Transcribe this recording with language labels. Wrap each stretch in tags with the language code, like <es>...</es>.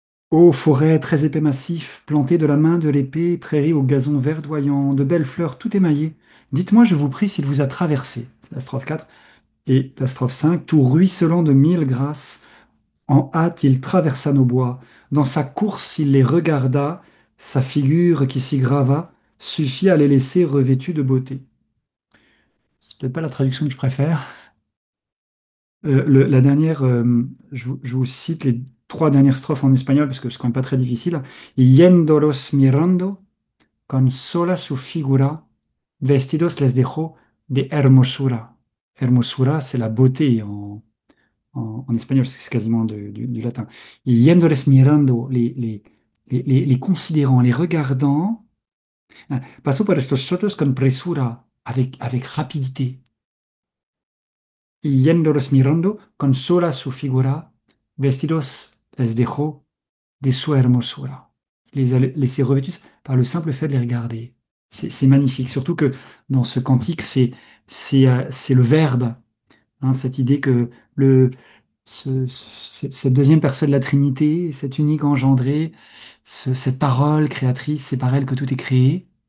<fr>Ô forêt très épais massif, plantée de la main de l'épée, prairie au gazon verdoyant, de belles fleurs tout émaillées, dites-moi, je vous prie, s'il vous a traversé, c'est la strophe 4, et la strophe 5, tout ruisselant de mille grâces, en hâte il traversa nos bois, dans sa course il les regarda, sa figure qui s'y grava, suffit à les laisser revêtues de beauté. C'est peut-être pas la traduction que je préfère. La dernière, je vous cite les trois dernières strophes en espagnol, parce que c'est quand même pas très difficile.</fr> <es>Yéndolos mirando, con sola su figura, vestidos les dejó de hermosura.</es> <fr>Hermosura, c'est la beauté en espagnol, c'est quasiment du latin.</fr> <es>Yéndolos mirando,</es> <fr>les considérant, les regardant,</fr> <es>pasó por estos sotos con presura,</es> <fr>avec rapidité.</fr> <es>Yéndolos mirando, con sola su figura, vestidos les dejó de su hermosura.</es> <fr>Les a laissés revêtus par le simple fait de les regarder. C'est magnifique. Surtout que dans ce cantique, c'est le verbe. Hein, cette idée que cette deuxième personne de la Trinité, cette unique engendrée, cette parole créatrice, c'est par elle que tout est créé.</fr>